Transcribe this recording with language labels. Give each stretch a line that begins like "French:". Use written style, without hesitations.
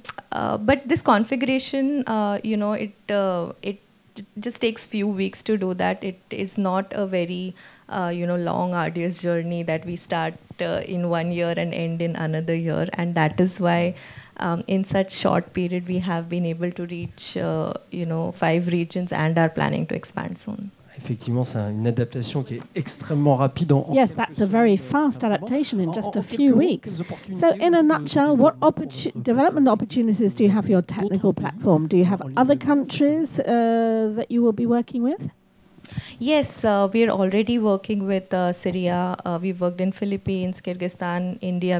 English: But this configuration, it just takes few weeks to do that. It is not a very, long, arduous journey that we start in 1 year and end in another year. And that is why in such short period, we have been able to reach, 5 regions and are planning to expand soon.
French: Effectivement, c'est une adaptation qui est extrêmement rapide.
English: Yes, that's a very fast adaptation in just a few weeks. So in a nutshell, what development opportunities do you have for your technical platform? Do you have other countries that you will be working with? Yes, we are already working with Syria. We've worked in Philippines, Kyrgyzstan, India.